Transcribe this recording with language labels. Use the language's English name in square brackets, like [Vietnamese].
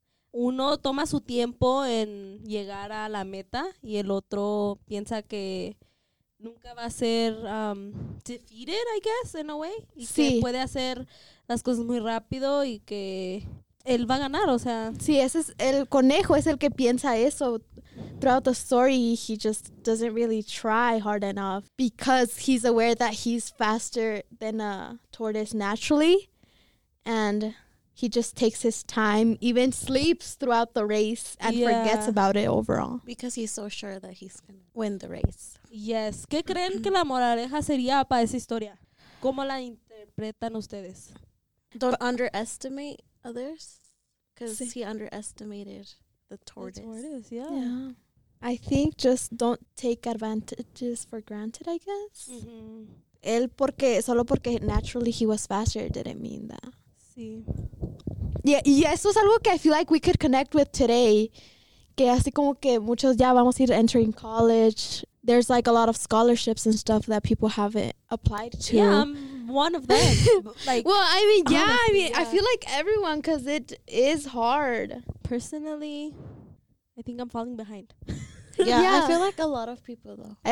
[Spanish] Uno toma su tiempo en llegar a la meta y el otro piensa que nunca va a ser [English] defeated, I guess, in a way. Y [Spanish] sí. Que puede hacer las cosas muy rápido y que él va a ganar, o sea. Sí, ese es el conejo, es el que piensa eso. [English] Throughout the story, he just doesn't really try hard enough because he's aware that he's faster than a tortoise naturally. And he just takes his time, even sleeps throughout the race and yeah. Forgets about it overall. Because he's so sure that he's going to win the race. Yes. [Spanish] ¿Qué creen que la moraleja sería para esa historia? ¿Cómo la interpretan ustedes? [English] Don't underestimate others. Because sí. He underestimated the tortoise. The tortoise, yeah. I think just don't take advantages for granted, I guess. Mm-hmm. [Spanish] Él porque, solo porque [English] naturally he was faster didn't mean that. [Spanish] Sí. [English] Yeah, [Spanish] y eso es algo que [English] I feel like we could connect with today. [Spanish] Que así como que muchos ya vamos a ir [English] entering college. There's like a lot of scholarships and stuff that people haven't applied to. Yeah, I'm one of them. Like, well, I mean, yeah, honestly, I mean, yeah. I feel like everyone because it is hard. Personally, I think I'm falling behind. Yeah, I feel like a lot of people though.